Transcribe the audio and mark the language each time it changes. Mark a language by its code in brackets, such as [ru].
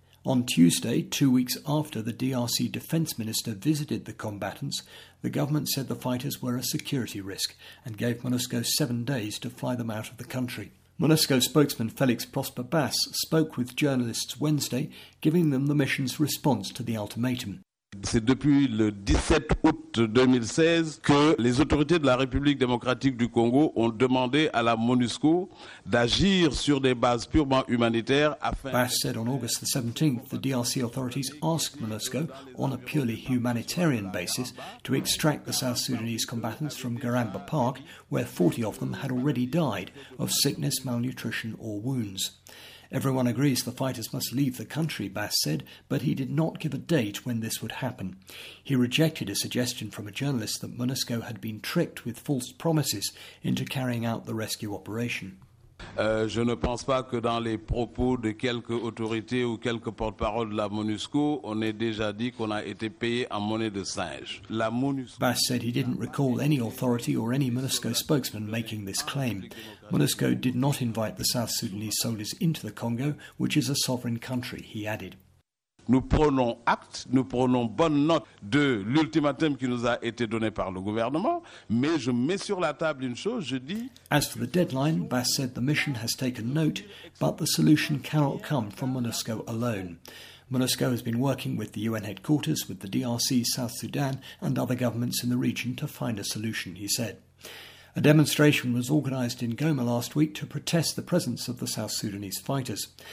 [en] On Tuesday, 2 weeks after the DRC defence minister visited the combatants, the government said the fighters were a security risk and gave MONUSCO 7 days to fly them out of the country. MONUSCO spokesman Felix Prosper Bass spoke with journalists Wednesday, giving them the mission's response to the ultimatum. [fr] C'est depuis le 17 août 2016 que les autorités de la République démocratique du Congo ont demandé à la MONUSCO d'agir sur des bases purement humanitaires afin. [en] Bass said on August the 17th, the DRC authorities asked MONUSCO, on a purely humanitarian basis, to extract the South Sudanese combatants from Garamba Park, where 40 of them had already died of sickness, malnutrition, or wounds. Everyone agrees the fighters must leave the country, Bass said, but he did not give a date when this would happen. He rejected a suggestion from a journalist that MONUSCO had been tricked with false promises into carrying out the rescue operation. [fr] Je ne pense pas que dans les propos de quelques autorités ou quelques porte-parole de la MONUSCO, on ait déjà dit qu'on a été payé en monnaie de singe. La MONUSCO. [en] Bass said he didn't recall any authority or any MONUSCO spokesman making this claim. MONUSCO did not invite the South Sudanese soldiers into the Congo, which is a sovereign country, he added. [fr] Nous prenons acte, nous prenons bonne note de l'ultimatum qui nous a été donné par le gouvernement, mais je mets sur la table une chose, je dis... [en] As for the deadline, Bass said the mission has taken note, but the solution cannot come from MONUSCO alone. MONUSCO has been working with the UN headquarters, with the DRC, South Sudan and other governments in the region to find a solution, he said. A demonstration was organised in Goma last week to protest the presence of the South Sudanese fighters.